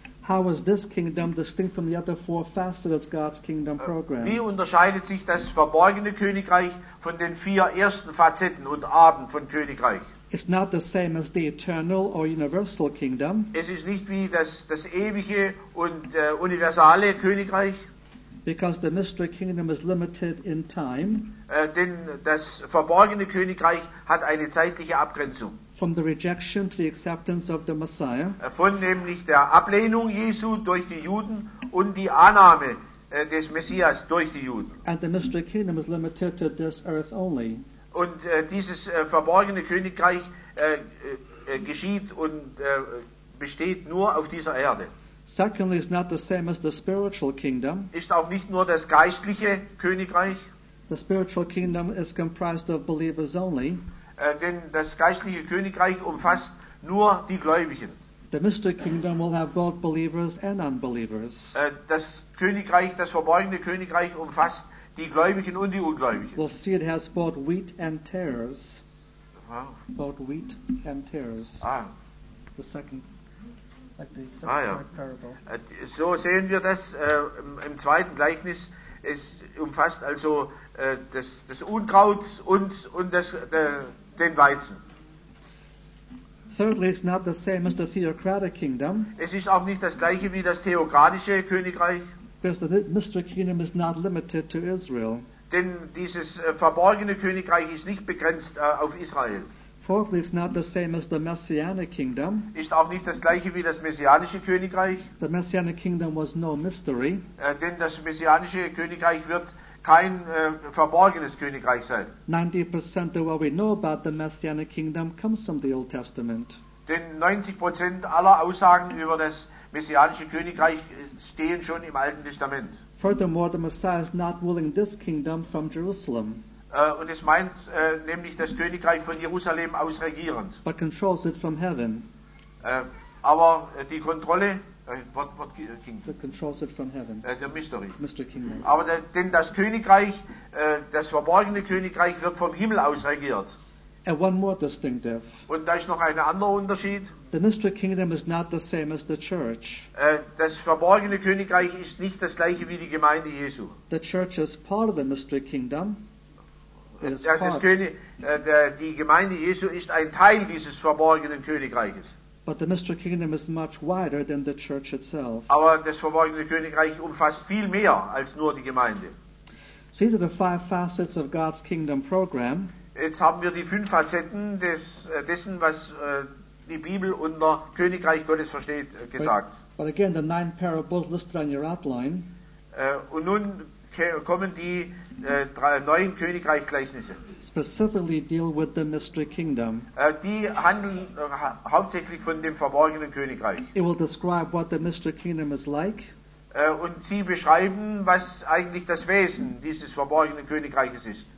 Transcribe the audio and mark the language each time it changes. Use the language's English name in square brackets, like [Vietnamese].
[English] How is this kingdom distinct from the other four facets of God's kingdom program? [German] Wie unterscheidet sich das verborgene Königreich von den vier ersten Facetten und Arten von Königreich? [English] It's not the same as the eternal or universal kingdom. [German] Es ist nicht wie das ewige und universale Königreich. [English] Because the mystery kingdom is limited in time. [German] Denn das verborgene Königreich hat eine zeitliche Abgrenzung. [English] From the rejection to the acceptance of the Messiah. [German] Von nämlich der Ablehnung Jesu durch die Juden und die Annahme des Messias durch die Juden. [English] And the mystery kingdom is limited to this earth only. [German] Und dieses verborgene Königreich geschieht und besteht nur auf dieser Erde. [English] Secondly, it's not the same as the spiritual kingdom. [German] Ist auch nicht nur das geistliche Königreich. [English] The spiritual kingdom is comprised of believers only. [German] Denn das geistliche Königreich umfasst nur die Gläubigen. [English] The mystery kingdom will have both believers and unbelievers. [German] Das Königreich, das verborgene Königreich umfasst die Gläubigen und die Ungläubigen. [English] We'll see it has both wheat and tares. Wow. Both wheat and tares. Ah. The second ja. Parable. [German] So sehen wir das im zweiten Gleichnis. Es umfasst also das Unkraut und den Weizen. [English] Thirdly, it's not the same as the theocratic kingdom. [German] Es ist auch nicht das gleiche wie das theokratische Königreich. [English] Because the mystery kingdom is not limited to Israel. [German] Denn dieses verborgene Königreich ist nicht begrenzt auf Israel. [English] Fourthly, it's not the same as the messianic kingdom. [German] Ist auch nicht das gleiche wie das messianische Königreich. [English] The messianic kingdom was no mystery. [German] Denn das messianische Königreich wird kein verborgenes Königreich sein. [English] 90% of what we know about the messianic kingdom comes from the Old Testament. [German] Denn 90% aller Aussagen über das messianische Königreich stehen schon im Alten Testament. [English] Furthermore, the Messiah is not ruling this kingdom from Jerusalem. [German] Und es meint nämlich das Königreich von Jerusalem aus regierend. [English] But controls it from heaven. [German] Aber die Kontrolle, [English] what kingdom? But controls it from heaven. [German] Der Mystery. [English] Mystery kingdom. [German] Aber denn das Königreich, das verborgene Königreich wird vom Himmel aus regiert. [English] And one more distinctive. [German] Und da ist noch ein anderer Unterschied. [English] The mystery kingdom is not the same as the church. [German] Das verborgene Königreich ist nicht das gleiche wie die Gemeinde Jesu. [English] The church is part of the mystery kingdom. [German] Ja, die Gemeinde Jesu ist ein Teil dieses verborgenen Königreiches. [English] But the mystery kingdom is much wider than the church itself. [German] Aber das verborgene Königreich umfasst viel mehr als nur die Gemeinde. [English] So these are the five facets of God's kingdom program. [German] Jetzt haben wir die fünf Facetten dessen, was die Bibel unter Königreich Gottes versteht, gesagt. [English] But again, the nine parables listed on your outline. [German] Und nun kommen die drei neuen Königreich-Gleichnisse. [English] Specifically deal with the mystery kingdom. [German] Die handeln hauptsächlich von dem verborgenen Königreich. [English] It will describe what the mystery kingdom is like. [German] Und sie beschreiben, was eigentlich das Wesen dieses verborgenen Königreiches ist.